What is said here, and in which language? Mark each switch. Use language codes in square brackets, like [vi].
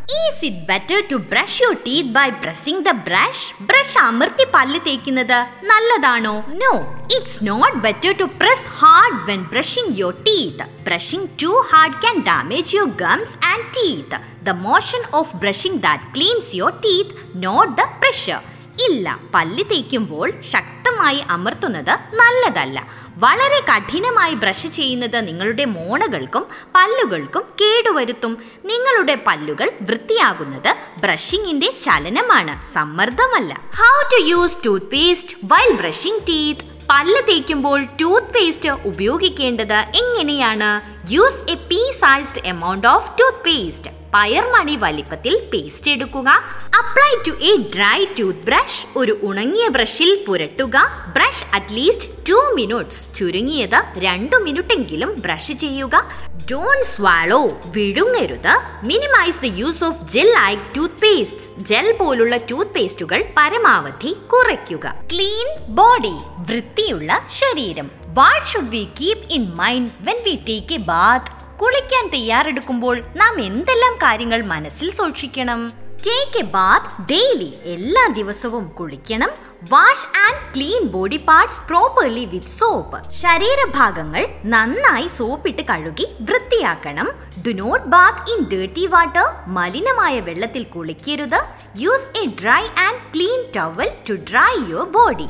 [en] Is it better to brush your teeth by brushing the brush? [ml] Brush അമർത്തി പല്ല് തേക്കുന്നത് നല്ലതാണോ? [en] No, it's not better to press hard when brushing your teeth. Brushing too hard can damage your gums and teeth. The motion of brushing that cleans your teeth, not the pressure. [ml] ഇല്ല, പല്ല് തേക്കുമ്പോൾ ശക്തമായി അമർത്തുന്നത് നല്ലതല്ല. വളരെ കഠിനമായി brush ചെയ്യുന്നത് നിങ്ങളുടെ മോണകൾക്കും പല്ലുകൾക്കും കേടുവരുത്തും. നിങ്ങളുടെ പല്ലുകൾ വൃത്തിയാകുന്നത് ബ്രഷിംഗിന്റെ ചലനമാണ്, സമ്മർദ്ദമല്ല. [en] How to use toothpaste while brushing teeth. [ml] പല്ല് തേക്കുമ്പോൾ ടൂത്ത് പേസ്റ്റ് ഉപയോഗിക്കേണ്ടത് എങ്ങനെയാണ്? [en] Use a pea sized amount of toothpaste. [ml] പയർ മണി വലിപ്പത്തിൽ പേസ്റ്റ് എടുക്കുക. [en] Apply to a dry toothbrush. [ml] ഒരു ഉണങ്ങിയ ബ്രഷിൽ പുരട്ടുക. [en] Brush at least 2 minutes. [ml] ചുരുങ്ങിയത് 2 മിനിറ്റെങ്കിലും ബ്രഷ് ചെയ്യുക. [en] Don't swallow. [ml] വിഴുങ്ങരുത്. [en] Minimize the use of gel-like toothpastes. [ml] Gel പോലുള്ള ടൂത്ത്പേസ്റ്റുകൾ പരമാവധി കുറയ്ക്കുക. [en] clean body, [ml] വൃത്തിയുള്ള ശരീരം. [en] What should we keep in mind when we take a bath? [ml] കുളിക്കാൻ തയ്യാറെടുക്കുമ്പോൾ നാം എന്തെല്ലാം കാര്യങ്ങൾ മനസ്സിൽ സൂക്ഷിക്കണം? [en] Take a bath daily. [ml] എല്ലാ ദിവസവും കുളിക്കണം. [en] Wash and clean body parts properly with soap. [ml] ശരീരഭാഗങ്ങൾ നന്നായി സോപ്പിട്ട് കഴുകി വൃത്തിയാക്കണം. [en] Do not bath in dirty water. [ml] മലിനമായ വെള്ളത്തിൽ കുളിക്കരുത്. [en] Use a dry and clean towel to dry your body.